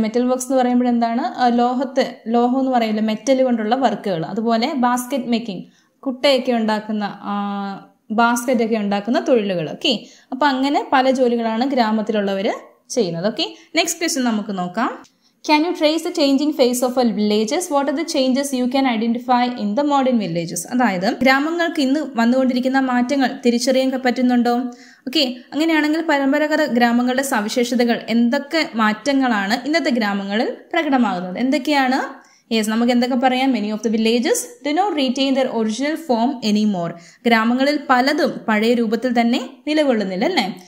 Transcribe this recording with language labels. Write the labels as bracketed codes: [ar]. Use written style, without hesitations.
[ml] Metal works എന്ന് പറയുമ്പോഴെന്താണ്, ലോഹത്തെ, ലോഹം എന്ന് പറയുമല്ലോ, മെറ്റൽ കൊണ്ടുള്ള വർക്കുകൾ. അതുപോലെ ബാസ്കറ്റ് മേക്കിംഗ്, കുട്ടയൊക്കെ ഉണ്ടാക്കുന്ന ബാസ്കറ്റ് ഒക്കെ ഉണ്ടാക്കുന്ന തൊഴിലുകൾ. ഓക്കെ, അപ്പൊ അങ്ങനെ പല ജോലികളാണ് ഗ്രാമത്തിലുള്ളവർ ചെയ്യുന്നത്. ഓക്കെ, [en] next question [ml] നമുക്ക് നോക്കാം. [en] Can you trace the changing face of a villages? What are the changes you can identify in the modern villages? [ml] അതായത് ഗ്രാമങ്ങൾക്ക് ഇന്ന് വന്നുകൊണ്ടിരിക്കുന്ന മാറ്റങ്ങൾ തിരിച്ചറിയാൻ പറ്റുന്നുണ്ടോ? ഓക്കെ, അങ്ങനെയാണെങ്കിൽ പരമ്പരാഗത ഗ്രാമങ്ങളുടെ സവിശേഷതകൾ, എന്തൊക്കെ മാറ്റങ്ങളാണ് ഇന്നത്തെ ഗ്രാമങ്ങളിൽ പ്രകടമാകുന്നത്, എന്തൊക്കെയാണ്? [en] yes, [ml] നമുക്ക് എന്തൊക്കെ പറയാം, [en] many of the villages do not retain their original form any more, [ml] ഗ്രാമങ്ങളിൽ പലതും പഴയ രൂപത്തിൽ തന്നെ നിലകൊള്ളുന്നില്ല അല്ലേ.